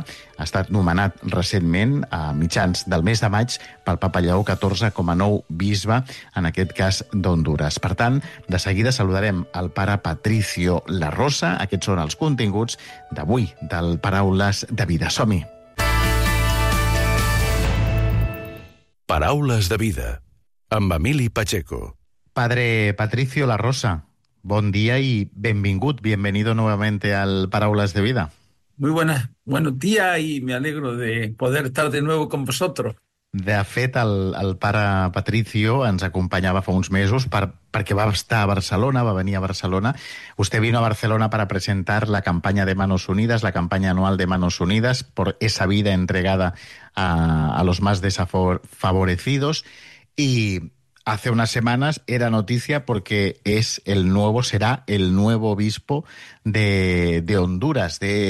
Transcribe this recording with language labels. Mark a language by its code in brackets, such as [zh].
[ca] Ha estat nomenat recentment a mitjans del mes de maig pel Papa Lleó XIV com a nou bisbe, en aquest cas d'Hondures. Per tant, de seguida saludarem el pare Patricio La Rosa. Aquests són els continguts d'avui del Paraules de Vida. Som-hi! Paraules de Vida amb Emili Pacheco. [es] Padre Patricio La Rosa, buen día y bienvenido nuevamente al Paraules de Vida. Muy buenos días y me alegro de poder estar de nuevo con vosotros. [ca] De fet, el pare Patricio ens acompanyava fa uns mesos perquè va estar a Barcelona, va venir a Barcelona. [es] Usted vino a Barcelona para presentar la campaña de Manos Unidas, la campaña anual de Manos Unidas, por esa vida entregada a los más desfavorecidos. Y hace unas semanas era noticia porque será el nuevo obispo de Honduras.